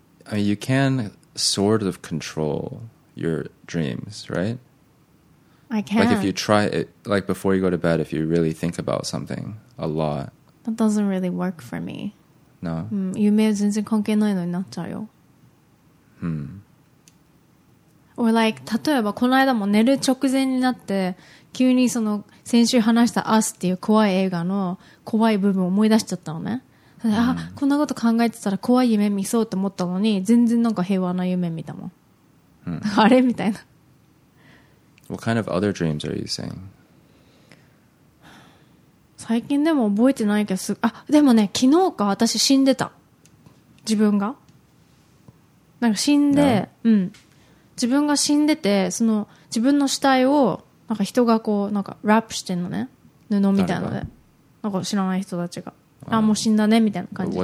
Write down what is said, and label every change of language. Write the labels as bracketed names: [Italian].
[English] I mean, you can sort of control your dreams, right? I can. Like, if you try it... Like, before you go to bed, if you really think about something a lot... That doesn't really work for me. No? [Japanese] 夢全然関係ないのになっちゃうよ。 Hmm. [English] Or like, [Japanese] 例えばこの間も寝る直前になって、急にその先週話した Us っていう怖い映画の怖い部分を思い出しちゃったのね。あ、こんなこと考えてたら怖い夢見そうって思ったのに、全然なんか平和な夢見たもん。あれみたいな。 [English] What kind of other dreams are you saying? [Japanese] 最近でも覚えてないけど、でもね、昨日か私死んでた。自分が。なんか死んで、うん、自分が死んでて、その自分の死体をなんか人がこうなんかラップしてんのね、布みたいので、なんか知らない人たちが、あ、もう死んだねみたいな感じで。